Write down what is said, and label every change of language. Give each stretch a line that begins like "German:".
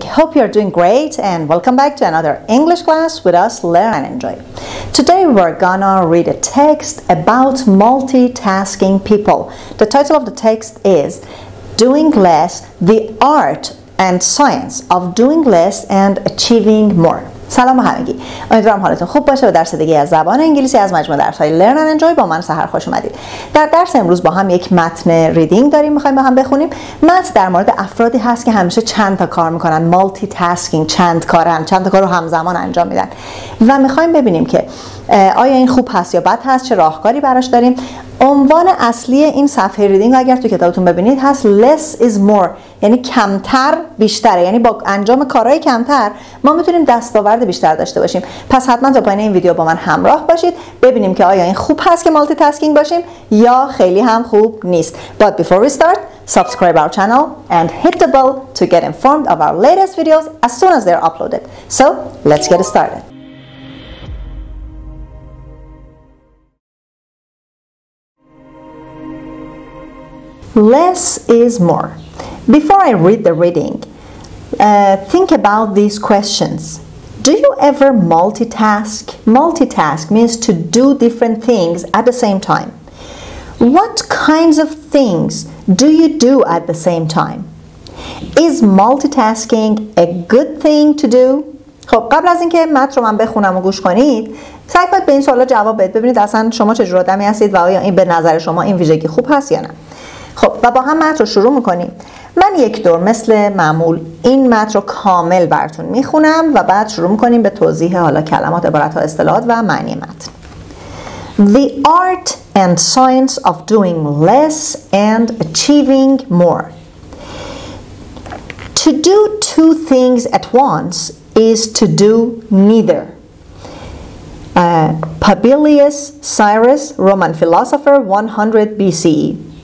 English: Hope you are doing great and welcome back to another English class with us, Learn and Enjoy. Today we're gonna read a text about multitasking people. The title of the text is Doing Less, the Art and Science of Doing Less and Achieving More.
Persian: سلام همگی. امیدوارم حالتون خوب باشه و درس دیگه از زبان انگلیسی از مجموعه درس های Learn and Enjoy با من سحر خوش اومدید. در درس امروز با هم یک متن ریدینگ داریم، میخوایم با هم بخونیم. متن در مورد افرادی هست که همیشه چند تا کار میکنن، مالتی تاسکینگ، چند کارن، چند تا کار رو همزمان انجام میدن و میخوایم ببینیم که آیا این خوب هست یا بد هست، چه راهکاری براش داریم. عنوان اصلی این صفحه ریدینگ اگر تو کتابتون ببینید هست
English: less is more،
Persian: یعنی کمتر بیشتره، یعنی با انجام کارهای کمتر ما میتونیم دستاورد بیشتر داشته باشیم. پس حتما تا پایین این ویدیو با من همراه باشید ببینیم که آیا این خوب هست که مالتی تاسکینگ باشیم یا خیلی هم خوب نیست.
English: But before we start, subscribe our channel and hit the bell to get informed of our latest videos as soon as they're uploaded. So let's get started. Less is more. Before I read the reading, think about these questions. Do you ever multitask? Multitask means to do different things at the same time. What kinds of things do you do at the same time? Is multitasking a good thing to do?
Persian: خب قبل از اینکه متن رو من بخونم و گوش کنید، سعی کنید به این سوالا جواب بدید. ببینید اصلا شما چه جور آدمی هستید و آیا این به نظر شما این ویژگی خوب هست یا نه. خب و با هم متن رو شروع میکنیم. من یک دور مثل معمول این متن رو کامل براتون میخونم و بعد شروع میکنیم به توضیح حالا کلمات، عبارت ها، اصطلاحات و معنی متن.
English: The art and science of doing less and achieving more. To do two things at once is to do neither. Publius Cyrus, Roman philosopher, 100 BCE.